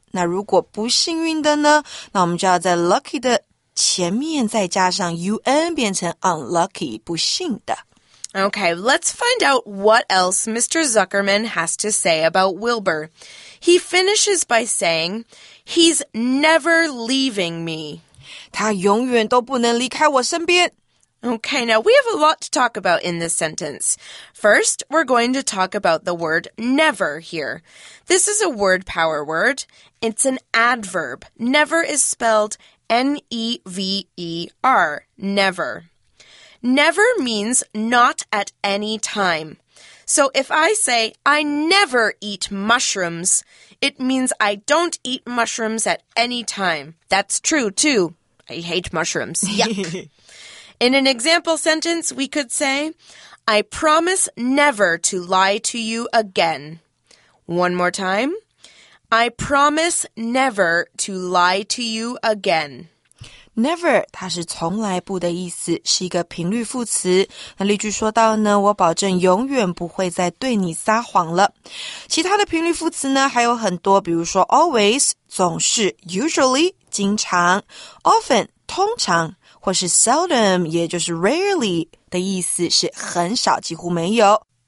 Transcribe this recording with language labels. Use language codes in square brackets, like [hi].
[zh] 那如果不幸运的呢，那我们就要在 lucky 的前面再加上 un 变成 unlucky 不幸的。 [en] Okay, let's find out what else Mr. Zuckerman has to say about Wilbur. He finishes by saying, He's never leaving me. [zh] 他永远都不能离开我身边。 [en] Okay, now we have a lot to talk about in this sentence. First, we're going to talk about the word never here. This is a word power word. It's an adverb. Never is spelled N-E-V-E-R, never. Never means not at any time. So if I say, I never eat mushrooms, it means I don't eat mushrooms at any time. That's true, too. I hate mushrooms. Yuck. In an example sentence, we could say, I promise never to lie to you again. One more time. I promise never to lie to you again. [zh] Never, 它是从来不的意思，是一个频率副词。那例句说到呢，我保证永远不会再对你撒谎了。其他的频率副词呢，还有很多，比如说 always, 总是 usually, 经常 often, 通常或是 seldom, 也就是 rarely 的意思是很少，几乎没有。